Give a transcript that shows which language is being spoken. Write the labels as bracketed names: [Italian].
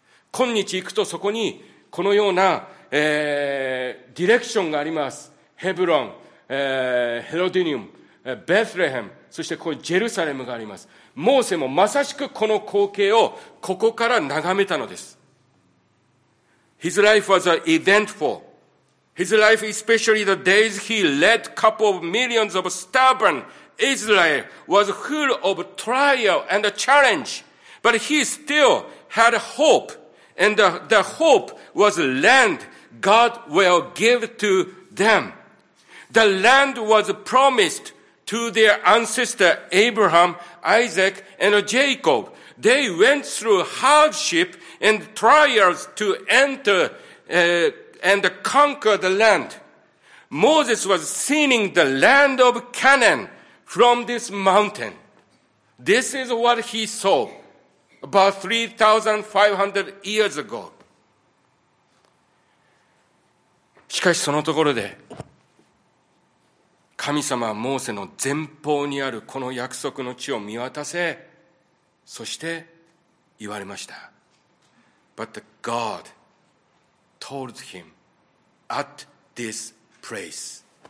[Japanese] 今日行くとそこにこのような、ディレクションがあります。ヘブロン、ヘロディニウム、ベスレヘム、そしてここにジェルサレムがあります。モーセもまさしくこの光景をここから眺めたのです。 [English] His life was eventful. His life, especially the days he led couple of millions of stubborn Israel, was full of trial and challenge. But he still had hope, and the hope was land God will give to them. The land was promised to their ancestor Abraham, Isaac, and Jacob. They went through hardship and trials to enter, and conquer the land. Moses was seeing the land of Canaan from this mountain. This is what he saw about 3,500 years ago. [Japanese] しかしそのところで、神様はモーセの前方にあるこの約束の地を見渡せ、そして言われました。 [English] But God told him,At this place.